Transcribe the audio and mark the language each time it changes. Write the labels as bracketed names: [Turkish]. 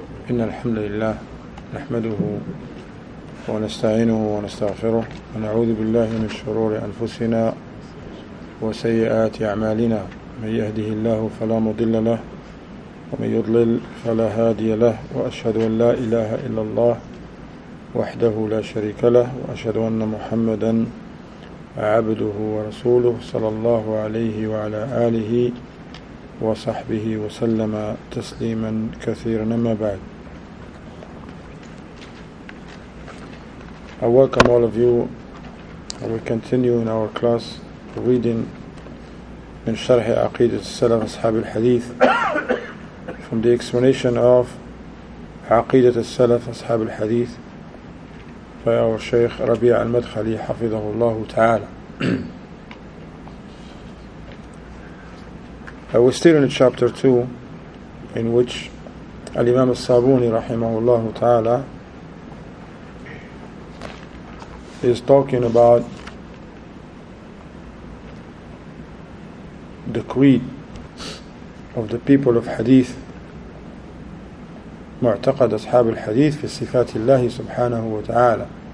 [Arabic] إن الحمد لله نحمده ونستعينه ونستغفره ونعوذ بالله من شرور أنفسنا وسيئات أعمالنا، من يهده الله فلا مضل له ومن يضلل فلا هادي له، وأشهد أن لا إله إلا الله وحده لا شريك له، وأشهد أن محمدا عبده ورسوله صلى الله عليه وعلى آله وصحبه وسلم تسليما كثيرا. ما بعد، [English] I welcome all of you. We continue in our class reading [Arabic] من شرح [English] عقيدة السلف أصحاب الحديث from the explanation of عقيدة السلف أصحاب الحديث by our Sheikh ربيع المدخلي حفظه الله تعالى. We're still in chapter 2 in which الإمام الصابوني رحمه الله تعالى is talking about the creed of the people of Hadith, [Arabic] معتقد أصحاب الحديث في صفات الله سبحانه وتعالى.